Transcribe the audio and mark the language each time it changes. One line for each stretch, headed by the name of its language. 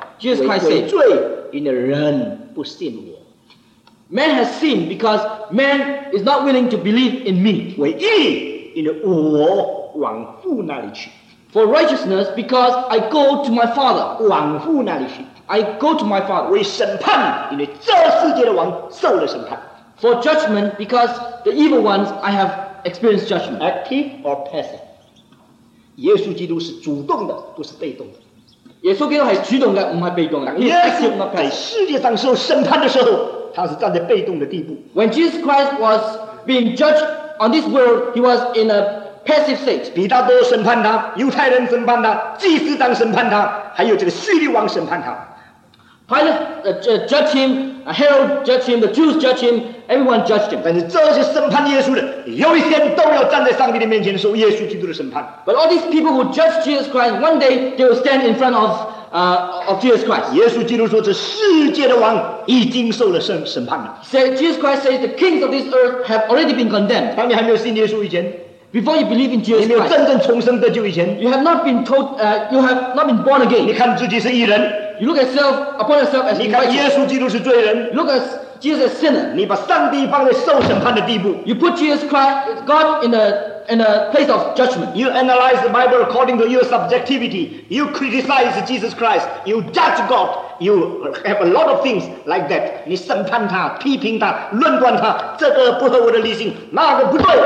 English: Jesus Christ said,
Chinese: 为罪因人不信我。
English: Man has sinned because man is not willing to believe in me.
Chinese: 为义因我往父那里去。
English: For righteousness because I go to my father.
Chinese: 往父那里去。
English: I go to my father.
Chinese: 为审判, 因为这世界的王受了审判。
English: For judgment, because the evil ones, I have experienced judgment. Active or passive?
Chinese: 耶稣基督是主动的, 不是被动的。耶稣基督还是主动的, 不是被动的。耶稣在世界上受审判的时候, 他是站在被动的地步。
English: When Jesus Christ was being judged on this world, he was in a passive state.
Chinese: 比大多审判他, 犹太人审判他, 祭司长审判他, 还有这个叙利王审判他。
English: Pilate judged him, Herod judged him, the Jews judged him, everyone judged him.
Chinese: 但是这些审判耶稣的，有一天都要站在上帝的面前受耶稣基督的审判。
English: But all these people who judge Jesus Christ, one day they will stand in front of Jesus Christ.
Chinese: 耶稣基督说，这世界的王已经受了审判了。
English: Say Jesus Christ says the kings of this earth have already been condemned.
Chinese: 当你还没有信耶稣以前。
English: Before you believe in Jesus Christ, you have not been told, you have not been born again. You look at yourself, upon yourself as righteous. You look at Jesus as a sinner. You put Jesus Christ, God, in a place of judgment. You analyze the Bible according to your subjectivity. You criticize Jesus Christ. You judge God. You have a lot of things like that.
Chinese: 你审判他, 批评他, 论断他, 这个不合我的理性，那个不对。